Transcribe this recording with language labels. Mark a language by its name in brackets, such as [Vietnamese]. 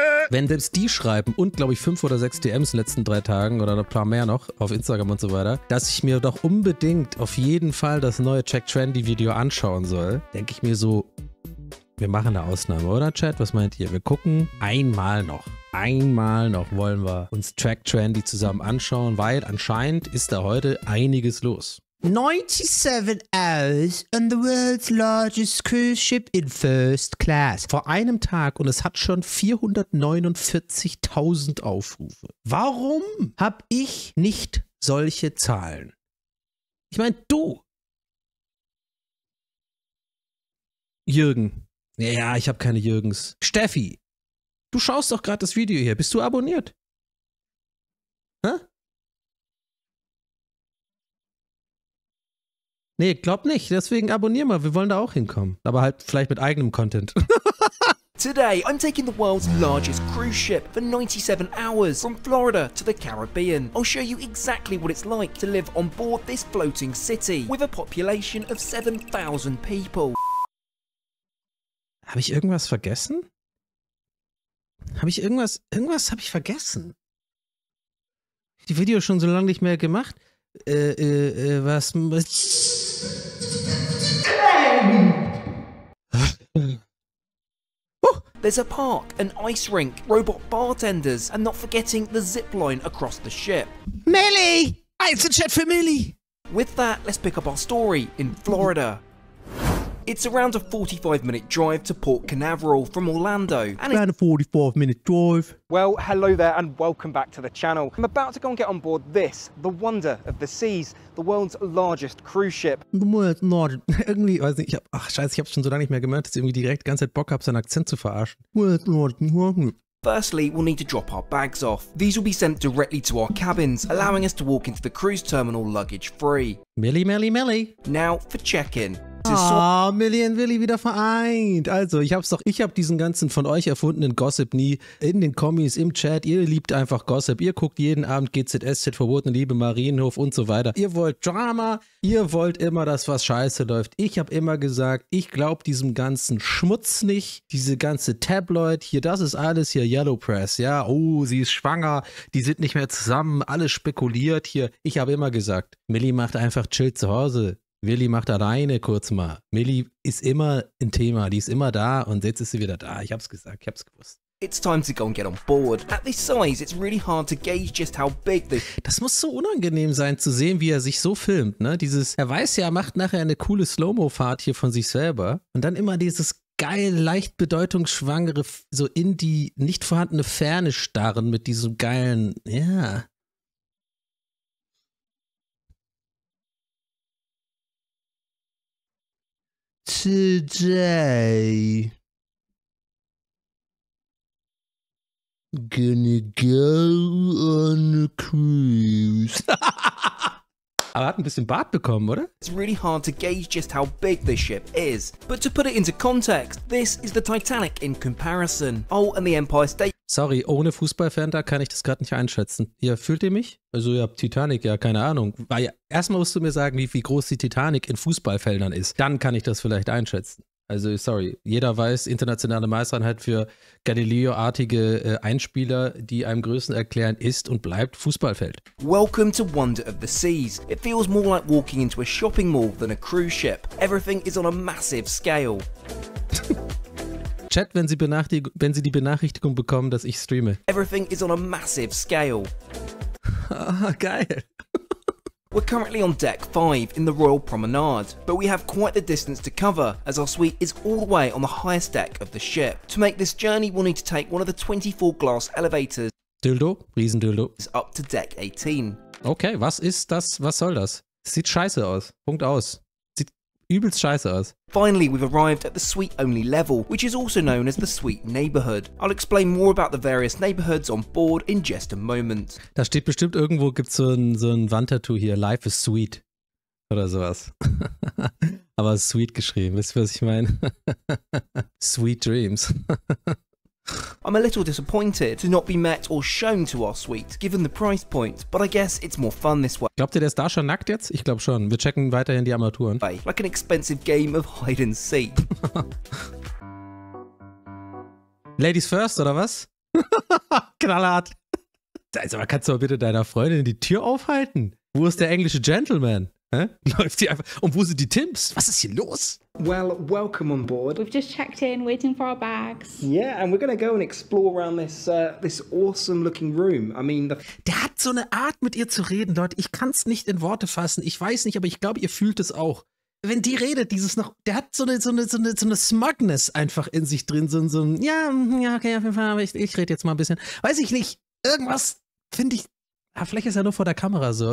[German] Wenn selbst die schreiben und, glaube ich, 5 oder 6 DMs in den letzten 3 Tagen oder ein paar mehr noch auf Instagram und so weiter, dass ich mir doch unbedingt auf jeden Fall das neue Check Trendy Video anschauen soll, denke ich mir so, wir machen eine Ausnahme, oder Chat? Was meint ihr? Wir gucken einmal noch. Einmal noch wollen wir uns Track Trendy zusammen anschauen, weil anscheinend ist da heute einiges los. [English] 97 hours on the world's largest cruise ship in first class. [German] Vor einem Tag und es hat schon 449.000 Aufrufe. Warum hab ich nicht solche Zahlen? Ich meine, du, Jürgen. Ja, ich habe keine Jürgens. Steffi, du schaust doch gerade das Video hier. Bist du abonniert? Hä? Nee, glaub nicht. Deswegen abonnier mal. Wir wollen da auch hinkommen. Aber halt vielleicht mit eigenem Content. [English] Today, I'm taking the world's largest cruise ship for 97 hours from Florida to the Caribbean. I'll show you exactly what it's like to live on board this floating city with a population of 7,000 people. [German] Habe ich irgendwas vergessen? Habe ich irgendwas? Irgendwas habe ich vergessen? Die Videos schon so lange nicht mehr gemacht? Was? [English] There's a park, an ice rink, robot bartenders, and not forgetting the zipline across the ship. Millie! It's a chat for Millie! With that, let's pick up our story in Florida. It's around a 45-minute drive to Port Canaveral from Orlando. And around a 45-minute drive. Well, hello there and welcome back to the channel. I'm about to go and get on board this, the wonder of the seas, the world's largest cruise ship. The world's largest. [German] Irgendwie, weiß nicht, ich hab, ach scheiße, ich hab's schon so lange nicht mehr gemerkt, dass ich irgendwie direkt die ganze Zeit Bock hab, seinen Akzent zu verarschen. [English] World's largest. Firstly, we'll need to drop our bags off. These will be sent directly to our cabins, allowing us to walk into the cruise terminal luggage free. Millie, Millie, Millie. Now for check-in. [German] Oh, Millie und Willi wieder vereint. Also, ich hab diesen ganzen von euch erfundenen Gossip nie in den Kommis, im Chat. Ihr liebt einfach Gossip. Ihr guckt jeden Abend GZSZ, Verbotene Liebe, Marienhof und so weiter. Ihr wollt Drama. Ihr wollt immer, dass was scheiße läuft. Ich hab immer gesagt, ich glaub diesem ganzen Schmutz nicht. Diese ganze Tabloid hier, das ist alles hier Yellow Press. Ja, oh, sie ist schwanger. Die sind nicht mehr zusammen. Alles spekuliert hier. Ich hab immer gesagt, Millie macht einfach chill zu Hause. Willi macht alleine kurz mal. Millie ist immer ein Thema, die ist immer da und jetzt ist sie wieder da. Ich hab's gesagt, ich hab's gewusst. [English] It's time to go and get on board. At this size, it's really hard to gauge just how big this... [German] Das muss so unangenehm sein, zu sehen, wie er sich so filmt, ne? Dieses, er weiß ja, er macht nachher eine coole Slow-Mo-Fahrt hier von sich selber und dann immer dieses geil, leicht bedeutungsschwangere, so in die nicht vorhandene Ferne starren mit diesem geilen, ja... [English] Yeah. Today, gonna go on a cruise. [German] Aber hat ein bisschen Bart bekommen, oder? [English] It's really hard to gauge just how big this ship is. But to put it into context, this is the Titanic in comparison. Oh, and the Empire State... [German] Sorry, ohne Fußballfan da kann ich das gerade nicht einschätzen. Ja, fühlt ihr mich? Also ja, Titanic, ja, keine Ahnung. Weil erstmal musst du mir sagen, wie groß die Titanic in Fußballfeldern ist. Dann kann ich das vielleicht einschätzen. Also sorry, jeder weiß, internationale Meistereinheit für Galileo-artige Einspieler, die einem Größen erklären, ist und bleibt Fußballfeld. [English] Welcome to Wonder of the Seas. It feels more like walking into a shopping mall than a cruise ship. Everything is on a massive scale. [German] Chat, wenn Sie die Benachrichtigung bekommen, dass ich streame. [English] Everything is on a massive scale. [German] Ah, geil. [English] We're currently on deck 5 in the Royal Promenade, but we have quite the distance to cover as our suite is all the way on the highest deck of the ship. To make this journey, we'll need to take one of the 24 glass elevators. [German] Dildo, riesen Dildo. [English] It's up to deck 18. [German] Okay, was ist das? Was soll das? Sieht scheiße aus. Punkt aus. Sieht übelst scheiße aus. [English] Finally, we've arrived at the suite only level, which is also known as the suite neighborhood. I'll explain more about the various neighborhoods on board in just a moment. [German] Da steht bestimmt irgendwo, gibt's so ein Wandtattoo hier. [English] Life is sweet. [German] oder sowas. Aber sweet geschrieben, wisst ihr, was ich meine? [English] Sweet dreams. I'm a little disappointed to not be met or shown to our suite, given the price point, but I guess it's more fun this way. [German] Glaubt ihr, der ist da schon nackt jetzt? Ich glaube schon. Wir checken weiterhin die Armaturen. [English] Like an expensive game of hide and seek. Ladies first, [German] oder was? Knallhart. Also, kannst du mal bitte deiner Freundin die Tür aufhalten? Wo ist der englische Gentleman? Läuft sie einfach. Und wo sind die Tims? Was ist hier los? [English] Well, welcome on board. We've just checked in, waiting for our bags. Yeah, and we're gonna go and explore around this this awesome looking room. I mean, [German] der hat so eine Art, mit ihr zu reden, Leute. Ich kann's nicht in Worte fassen. Ich weiß nicht, aber ich glaube, ihr fühlt es auch. Wenn die redet, dieses noch. Der hat so eine Smugness einfach in sich drin. So ein. Ja, ja, okay, auf jeden Fall, aber ich rede jetzt mal ein bisschen. Weiß ich nicht. Irgendwas finde ich. Ja, vielleicht ist er nur vor der Kamera so.